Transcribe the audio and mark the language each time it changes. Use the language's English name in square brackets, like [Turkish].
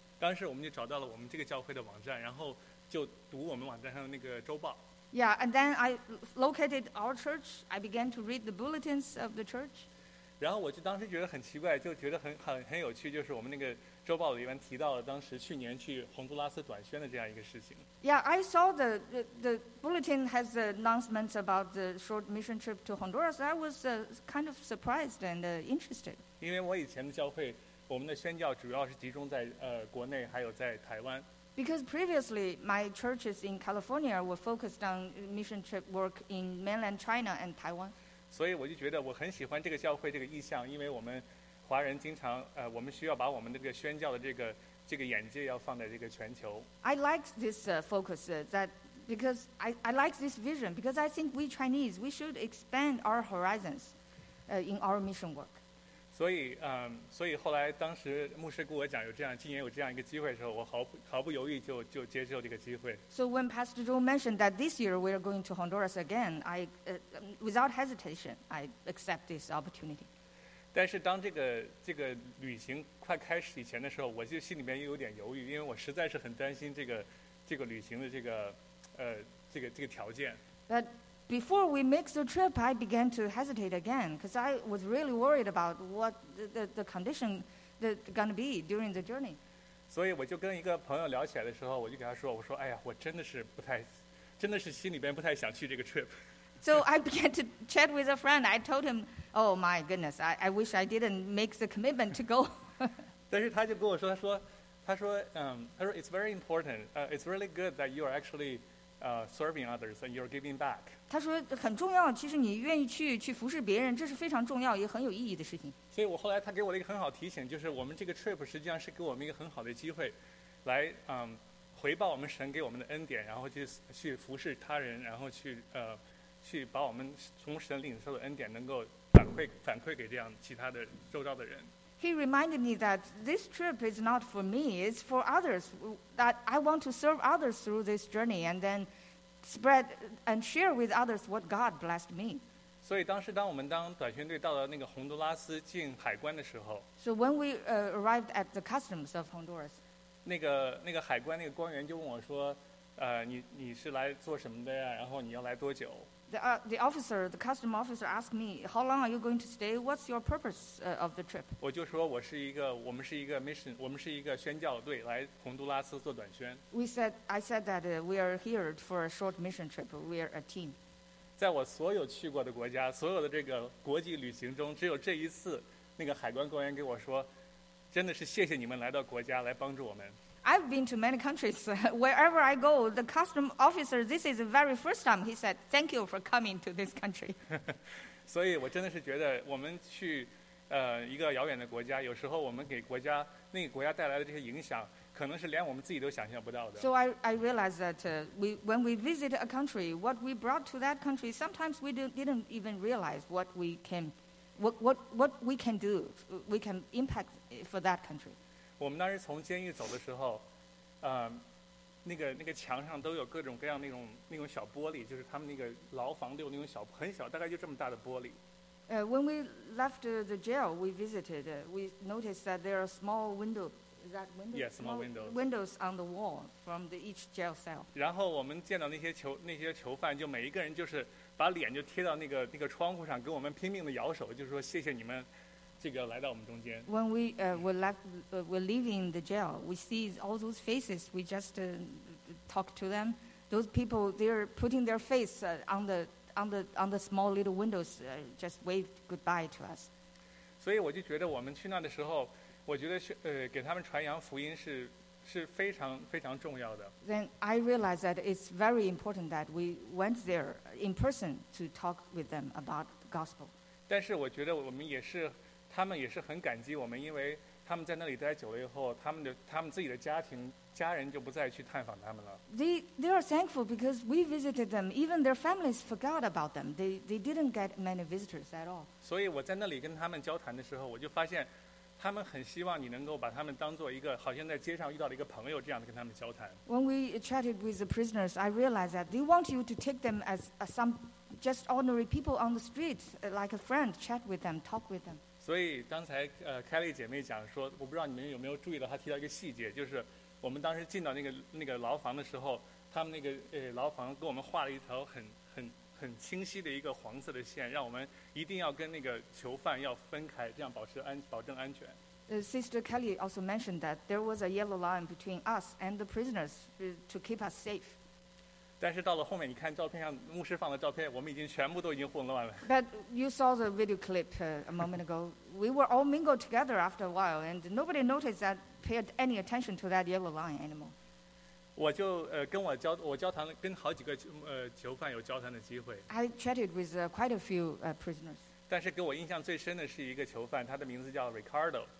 [Chinese] 当时我们就找到了我们这个教会的网站，然后就读我们网站上的那个周报。 [English] Yeah, and then I located our church. I began to read the bulletins of the church. [Chinese] 然后我就当时觉得很奇怪，就觉得很有趣，就是我们那个周报里面提到了当时去年去洪都拉斯短宣的这样一个事情。 [English] Yeah, I saw the bulletin has the announcements about the short mission trip to Honduras. I was kind of surprised and interested. [Chinese] 因为我以前的教会。我们的宣教主要是集中在国内，还有在台湾。 [English] Because previously my churches in California were focused on mission trip work in mainland China and Taiwan. [Chinese] 所以我就觉得我很喜欢这个教会这个意向，因为我们华人经常我们需要把我们的这个宣教的这个眼界要放在这个全球。 [English] I like this focus that because I like this vision because I think we Chinese we should expand our horizons in our mission work. [Chinese] 所以后来当时牧师跟我讲有这样今年有这样一个机会的时候，我毫不犹豫就接受这个机会。 [English] So when Pastor Joe mentioned that this year we are going to Honduras again, I without hesitation I accept this opportunity. [Chinese] 但是当这个旅行快开始以前的时候，我就心里面又有点犹豫，因为我实在是很担心这个旅行的这个条件。 [English] But,Before we make the trip, I began to hesitate again because I was really worried about what the condition that's going to be during the journey. [Chinese] 所以我就跟一个朋友聊起来的时候，我就给他说，我说，哎呀，我真的是心里边不太想去这个 trip. [English] So I began to chat with a friend. I told him, oh my goodness, I wish I didn't make the commitment to go. [Chinese] 但是他就跟我说，他说 [English] it's very important. It's really good that you are actually serving others and you're giving back. [Chinese] 他说很重要，其实你愿意去服侍别人，这是非常重要也很有意义的事情。所以我后来他给我了一个很好提醒，就是我们这个 trip 实际上是给我们一个很好的机会来回报我们神给我们的恩典，然后去服侍他人，然后去把我们从神领受的恩典能够反馈给这样其他的周遭的人。 [English] He reminded me that this trip is not for me, it's for others, that I want to serve others through this journey and thenspread and share with others what God blessed me. [Chinese] 所以当时当我们当短宣队到了那个洪都拉斯进海关的时候 [English] ，So when we arrived at the customs of Honduras, [Chinese] 那个海关那个官员就问我说，你是来做什么的呀？然后你要来多久 [English] ？The officer, the customs officer asked me, "How long are you going to stay? What's your purpose of the trip?" [Chinese] 我就说我们是一个 mission, 我们是一个宣教队来洪都拉斯做短宣。 [English] I said that we are here for a short mission trip. We are a team. [Chinese] 在我所有去过的国家，所有的这个国际旅行中，只有这一次，那个海关官员给我说，真的是谢谢你们来到国家来帮助我们。 [English] I've been to many countries. Wherever I go, the custom officer, this is the very first time he said, thank you for coming to this country. [Chinese] 所以我真的是觉得我们去一个遥远的国家，有时候我们给国家那个国家带来的这些影响可能是连我们自己都想象不到的。 [English] So I realized that when we visit a country, what we brought to that country, sometimes we didn't even realize what we can impact for that country. [Chinese] 我们当时从监狱走的时候，那个墙上都有各种各样那种小玻璃，就是他们那个牢房都有那种小很小，大概就这么大的玻璃。 [English] When we left the jail, we visited. We noticed that there are small windows. That window. Yes, small windows. Windows on the wall from the each jail cell. [Chinese] 然后我们见到那些囚犯，就每一个人就是把脸就贴到那个窗户上，跟我们拼命的摇手，就是说谢谢你们。这个来到我们中间。 [English] When we were leaving the jail, we see all those faces. We just talk to them. Those people, they're putting their face on the small little windows, just waved goodbye to us. [Chinese] 所以我就觉得我们去那的时候，我觉得给他们传扬福音是非常非常重要的。 [English] Then I realized that it's very important that we went there in person to talk with them about the gospel. [Chinese] 但是我觉得我们也是，他们也是很感激我们，因为他们在那里待久了以后，他们自己的家人就不再去探访他们了。 [English] They are thankful because we visited them. Even their families forgot about them. They didn't get many visitors at all. [Chinese] 所以我在那里跟他们交谈的时候，我就发现他们很希望你能够把他们当作一个好像在街上遇到了一个朋友这样的跟他们交谈。 [English] When we chatted with the prisoners, I realized that they want you to take them as some just ordinary people on the street, like a friend, chat with them, talk with them. [Chinese] 所以刚才Kelly 姐妹讲说，我不知道你们有没有注意到，她提到一个细节，就是我们当时进到那个牢房的时候，他们牢房给我们画了一条很清晰的一个黄色的线，让我们一定要跟那个囚犯要分开，这样保证安全。 [English] Sister Kelly also mentioned that there was a yellow line between us and the prisoners to keep us safe. [Chinese] 但是到了后面，你看照片上牧师放的照片，我们已经全部都已经混乱了。 [English] But you saw the video clip a moment ago. We were all mingled together after a while, and nobody noticed that paid any attention to that yellow line anymore. [Chinese] 我就跟我交我交谈了跟好几个囚犯有交谈的机会。 [English] I chatted with quite a few prisoners. [Chinese] 但是给我印象最深的是一个囚犯，他的名字叫 Ricardo.